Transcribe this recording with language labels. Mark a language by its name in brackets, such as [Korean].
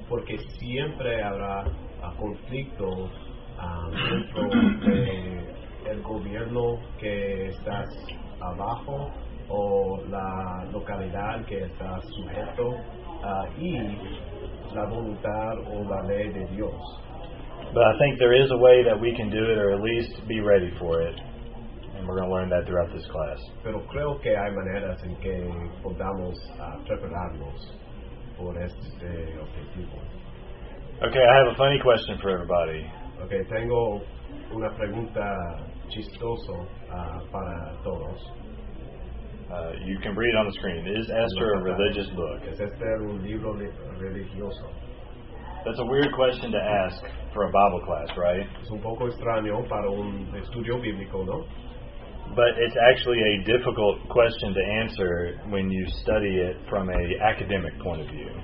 [Spanish] Porque siempre habrá conflicto dentro de el gobierno que estás abajo o la localidad que estás sujeto y la voluntad o la ley de Dios. [English] But I think there is a way that we can do it or at least be ready for it. And we're going to learn that throughout this class. [Spanish] Pero creo que hay maneras en que podamos prepararnos por este objetivo. [English] Okay, I have a funny question for everybody. [Spanish] Okay, tengo una pregunta chistoso para todos. [English] You can read on the screen. Is Esther a religious book? [Spanish] ¿Es Esther un libro religioso? [English] That's a weird question to ask for a Bible class, right? [Spanish] Es un poco extraño para un estudio bíblico, ¿no? [English] But it's actually a difficult question to answer when you study it from an academic point of view.